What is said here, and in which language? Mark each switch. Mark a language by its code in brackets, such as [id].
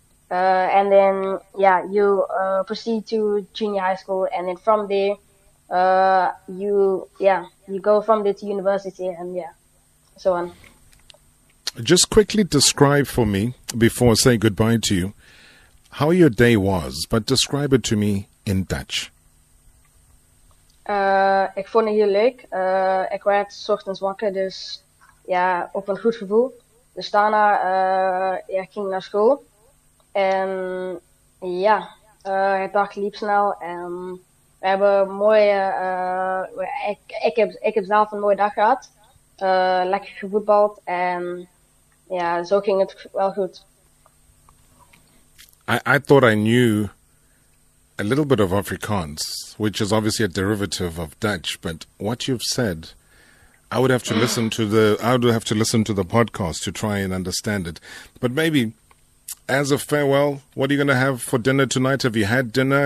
[en] And then, yeah, you proceed to junior high school, and then from there, you go from there to university, and yeah, so on. Just quickly describe for me, before I say goodbye to you, how your day was, but describe it to me in Dutch. [nl] Ik vond het heel leuk. Ik werd 's ochtends wakker, dus ja, op een goed gevoel. Dus daarna ging ik naar school. En ja, het dag liep snel. En we hebben mooie. Ik heb zelf een mooie dag gehad. Lekker gevoetbald. En ja, zo ging het wel goed. [en] I thought I knew a little bit of Afrikaans, which is obviously a derivative of Dutch, but what you've said, I would have to listen to the podcast to try and understand it. But maybe as a farewell, what are you going to have for dinner tonight? Have you had dinner?